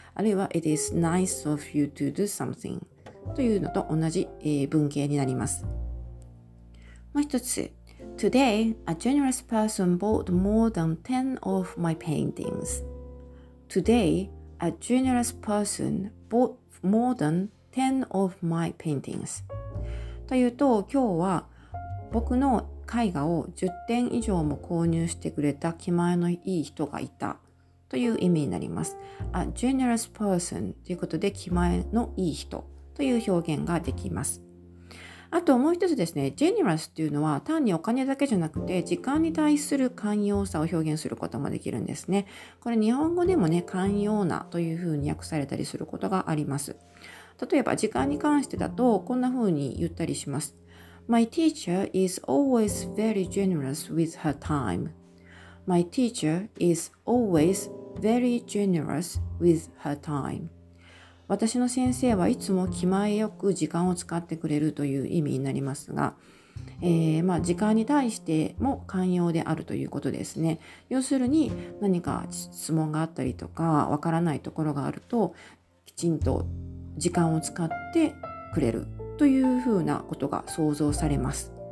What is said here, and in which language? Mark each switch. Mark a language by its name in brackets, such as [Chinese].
[Japanese] あるいは [English] It is nice of you to do something [Japanese] というのと同じ、文型になります。もう一つ。 [English] Today, a generous person bought more than 10 of my paintings. Today, a generous person bought more than 10 of my paintings. [Japanese] というと、今日は僕の絵画を10点以上も購入してくれた気前のいい人がいたという意味になります。 [English] A generous person [Japanese] ということで気前のいい人という表現ができます。あともう一つですね、generous っていうのは単にお金だけじゃなくて時間に対する寛容さを表現することもできるんですね。これ日本語でもね、寛容なというふうに訳されたりすることがあります。例えば時間に関してだとこんなふうに言ったりします。 [English] My teacher is always very generous with her time. My teacher is always very generous with her time. [Japanese] 私の先生はいつも気前よく時間を使ってくれるという意味になりますが、時間に対しても寛容であるということですね。要するに何か質問があったりとかわからないところがあるときちんと時間を使ってくれるというふうなことが想像されます。